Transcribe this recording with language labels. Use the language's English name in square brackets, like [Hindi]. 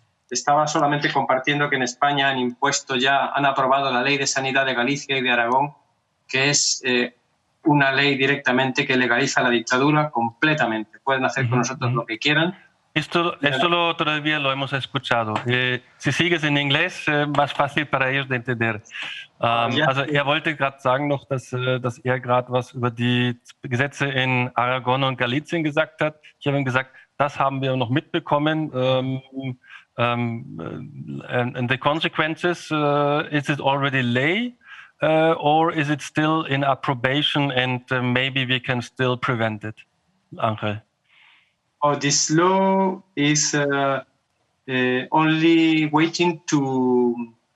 [Spanish] Estaba solamente compartiendo que en España han impuesto ya, han aprobado la ley de sanidad de Galicia y de Aragón, que es una ley directamente que legaliza la dictadura completamente. Pueden hacer con nosotros lo que quieran. Esto lo todavía lo hemos escuchado. Si sigues en inglés, más fácil para ellos de entender. [German] Also er wollte gerade sagen noch, dass er gerade was über die Gesetze in Aragón und Galicien gesagt hat. Ich habe ihm gesagt, das haben wir noch mitbekommen. [English] And the consequences, is it already lay or is it still in approbation and maybe we can still prevent it, Angel? Oh, this law is only waiting to...